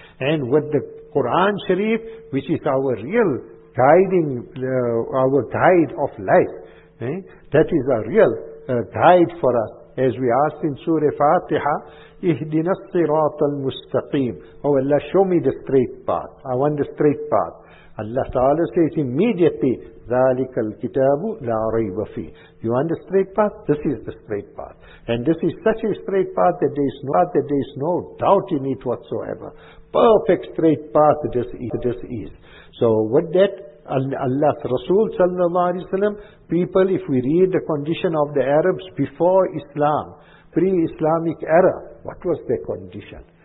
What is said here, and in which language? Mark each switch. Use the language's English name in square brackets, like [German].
[English] And with the Quran Sharif, which is our real guiding, our guide of life, that is a real guide for us. As we asked in Surah Fatiha, [Arabic] اِهْدِنَا الصِّرَاطَ الْمُسْتَقِيمِ. [English] Oh Allah, show me the straight path. I want the straight path. Allah Ta'ala says immediately, [Arabic] ذَلِكَ الْكِتَابُ لَا رَيْبَ فِيهِ. [English] You want the straight path? This is the straight path. And this is such a straight path that there is no doubt in it whatsoever. Perfect straight path this is. So with that, Allah's Rasul Sallallahu Alaihi Wasallam, people, if we read the condition of the Arabs before Islam, pre-Islamic era, what was their condition?